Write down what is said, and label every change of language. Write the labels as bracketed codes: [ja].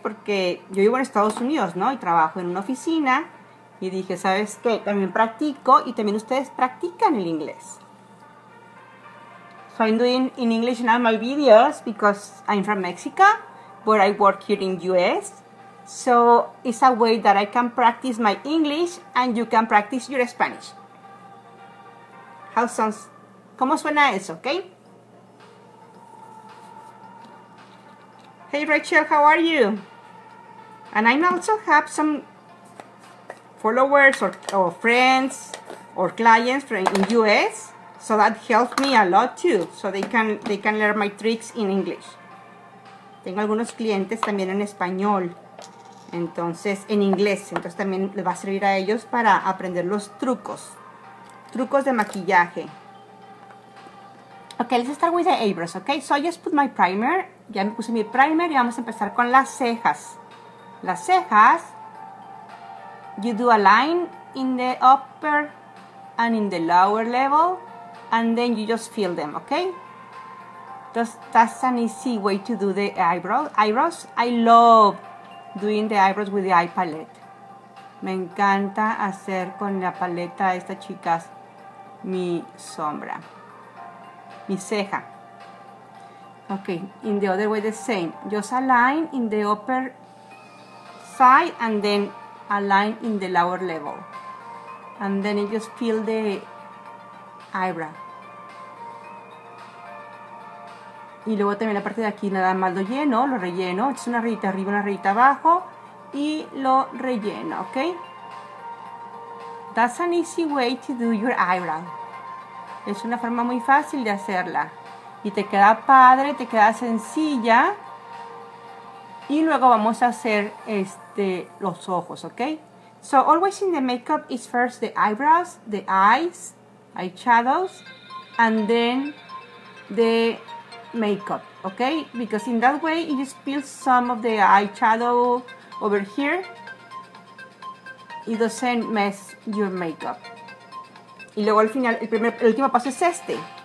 [es] Porque yo vivo en Estados Unidos, ¿no? Y trabajo en una oficina. Y dije, ¿sabes qué? También practico y también ustedes practican el inglés. [en] So I'm doing in English now my videos because I'm from Mexico, but I work here in US. So it's a way that I can practice my English and you can practice your Spanish. How sounds? [es] ¿Cómo suena eso? ¿Ok? [en] Hey Rachel, how are you? And I also have some followers or friends or clients from in US, so that helped me a lot too. So they can learn my tricks in English. [es] Tengo algunos clientes también en español, entonces en inglés, entonces también les va a servir a ellos para aprender los trucos de maquillaje. [en] Okay, let's start with the eyebrows, okay? So I just put my primer. [es] Ya me puse mi primer y vamos a empezar con las cejas. Las cejas, [en] you do a line in the upper and in the lower level, and then you just fill them, okay? That's an easy way to do the eyebrows. I love doing the eyebrows with the eye palette. [es] Me encanta hacer con la paleta esta, chicas, mi sombra. Mi ceja. [en] Okay, in the other way the same. Just align in the upper side and then align in the lower level. And then you just fill the eyebrow. [es] Y luego también la parte de aquí nada más lo lleno, lo relleno. Es una rayita arriba, una rayita abajo y lo relleno, okay? [en] That's an easy way to do your eyebrow. [es] Es una forma muy fácil de hacerla. Y te queda padre, te queda sencilla. Y luego vamos a hacer los ojos, ¿ok? [en] So, always in the makeup is first the eyebrows, the eyes, eyeshadows, and then the makeup, ¿ok? Because in that way you just peel some of the eyeshadow over here. It doesn't mess your makeup. [es] Y luego al final, el último paso es este.